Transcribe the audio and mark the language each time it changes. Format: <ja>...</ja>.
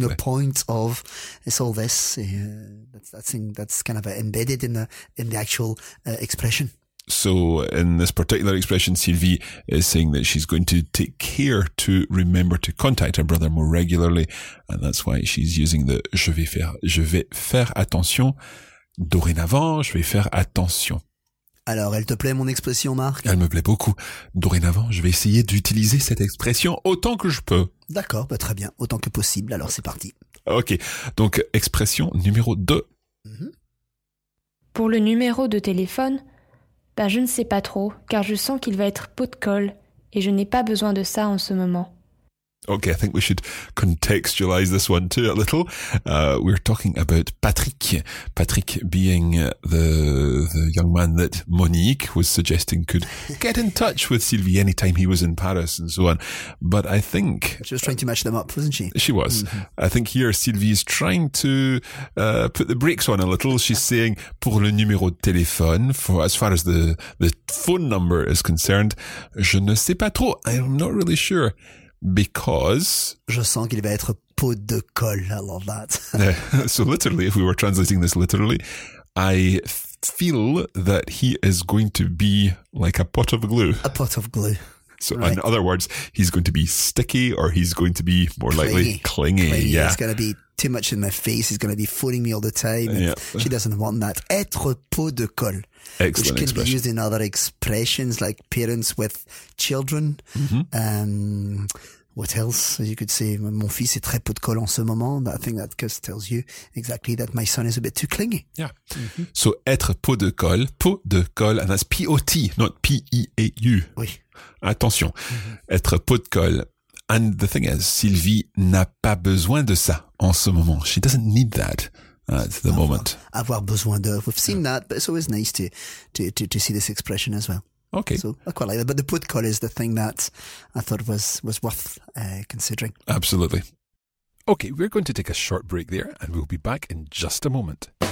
<en>Making a point of it's all this. That's kind of embedded in the actual expression. So in this particular expression, Sylvie is saying that she's going to take care to remember to contact her brother more regularly. And that's why she's using the</en> <fr>je vais faire attention. Dorénavant, je vais faire attention. Alors, elle te plaît mon expression, Marc ? Elle me plaît beaucoup. Dorénavant, je vais essayer d'utiliser cette expression autant que je peux. D'accord, bah très bien. Autant que possible. Alors, c'est parti. Ok, donc expression numéro 2. Pour le numéro de téléphone, ben je ne sais pas trop, car je sens qu'il va être pot de colle et je n'ai pas besoin de ça en ce moment.</fr> <en>Okay, I think we should contextualize this one too a little. We're talking about Patrick. Patrick being the young man that Monique was suggesting could get in touch with Sylvie anytime he was in Paris and so on. But I think... She was trying to match them up, wasn't she? She was. Mm-hmm. I think here Sylvie is trying to put the brakes on a little. She's saying,</en> <fr>pour le numéro de téléphone,</fr> <en>for as far as the phone number is concerned,</en> <fr>je ne sais pas trop.</fr> <en>I'm not really sure. Because...</en> <fr>Je sens qu'il va être pot de colle,</fr> <en>I love that. So literally, if we were translating this literally, I feel that he is going to be like a pot of glue. A pot of glue. So right. In other words, he's going to be sticky or he's going to be more clingy. Clingy. Yeah. He's going to be too much in my face. He's going to be fooling me all the time. Yeah. She doesn't want that. Être pot de colle. Excellent which can expression. Be used in other expressions like parents with children. Mm-hmm. What else? You could say,</en> <fr>mon fils est très pot de colle en ce moment.</fr> <en>But I think that just tells you exactly that my son is a bit too clingy. Yeah. Mm-hmm. So, être pot de colle, and that's P-O-T, not P-E-A-U.</en> <fr>Oui. Attention, être pot de colle.</fr> <en>And the thing is,</en> <fr>Sylvie n'a pas besoin de ça en ce moment.</fr> <en>She doesn't need that. At the moment.</en> <fr>Avoir besoin de.</fr> <en>We've seen that, but it's always nice to see this expression as well. Okay. So I quite like that. But the put call is the thing that I thought was worth considering. Absolutely. Okay, we're going to take a short break there and we'll be back in just a moment.</en>